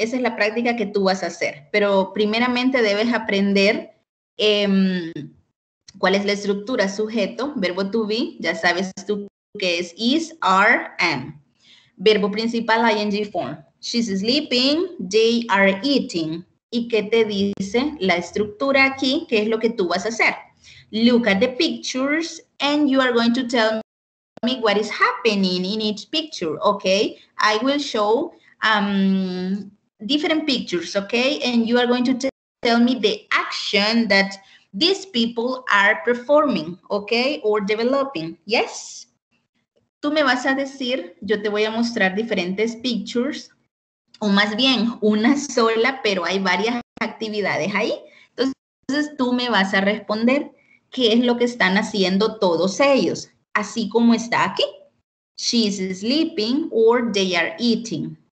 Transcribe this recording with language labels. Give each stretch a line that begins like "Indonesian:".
Spanish: Esa es la práctica que tú vas a hacer. Pero primeramente debes aprender cuál es la estructura, sujeto, verbo to be. Ya sabes tú que es is, are, am. Verbo principal,
English: ing form. She's sleeping, they are eating.
Spanish: ¿Y qué te dice la estructura aquí? ¿Qué es lo que tú vas a hacer?
English: Look at the pictures and you are going to tell me what is happening in each picture, okay? I will show different pictures, okay? And you are going to tell me the action that these people are performing, okay? Or developing, yes?
Spanish: Tú me vas a decir, yo te voy a mostrar diferentes pictures, o más bien una sola, pero hay varias actividades ahí. Entonces tú me vas a responder. ¿Qué es lo que están haciendo todos ellos? Así como está aquí.
English: She's sleeping or they are eating.